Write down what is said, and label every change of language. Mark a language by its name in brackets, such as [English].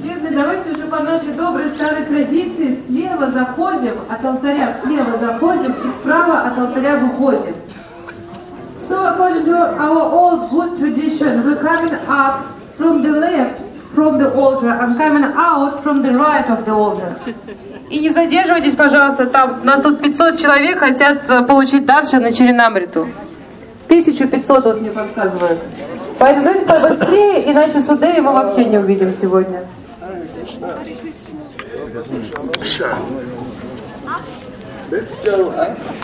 [Russian] Давайте уже по нашей доброй старой традиции слева заходим от алтаря, слева заходим и справа от алтаря выходим. [English] So according to our old good tradition, we're coming up from the left from the altar and coming out from the right of the altar. [Russian] И не задерживайтесь, пожалуйста, там у нас тут 500 человек хотят получить дарша на Чаринамриту. 1500 вот мне подсказывают. Поэтому давайте побыстрее, иначе Судеви мы вообще не увидим сегодня. [English] Let's go up.